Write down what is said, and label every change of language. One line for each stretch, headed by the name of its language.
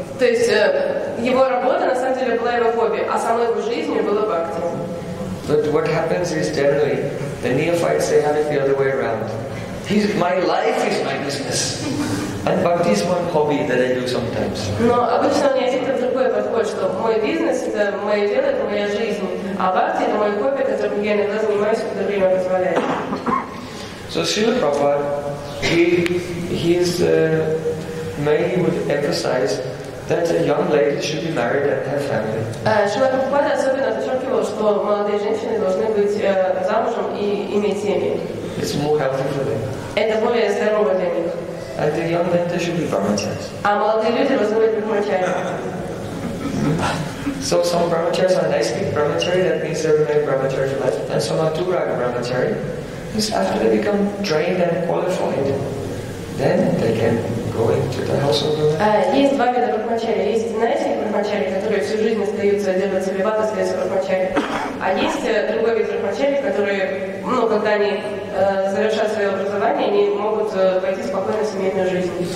Russian: То есть его работа на самом деле была его хобби, а самой его жизнью было бхакти.
English: But what happens is generally the neophytes they have it the other way around. His my life is my business, and bhakti is one hobby that I do sometimes.
Russian: Но обычно у них это другой подход, что мой бизнес это мое дело, это моя жизнь, а бхакти это мое хобби, которым я иногда занимаюсь, когда время позволяет.
English: So Srila Prabhupada, mainly would emphasize that a young lady should be married and have family.
Russian: Srila Prabhupada особенно подчеркивал, что молодые женщины должны быть замужем и иметь семьи.
English: It's more healthy for them.
Russian: Это более здорово для них.
English: And the young men, they should be brahmacharis.
Russian: А молодые люди должны быть брахмачари.
English: So some brahmacharis are nicely brahmachari, that means they remain brahmachari for life, and some are durag brahmachari. After they become trained and qualified, then they can go into the household.
Russian: Есть два вида брахмачари. Есть знающие брахмачари, которые всю жизнь остаются делать целибат, остаются брахмачари. А есть другой вид брахмачари, которые, ну, когда они завершат свое образование, они могут пойти спокойно в семейную жизнь.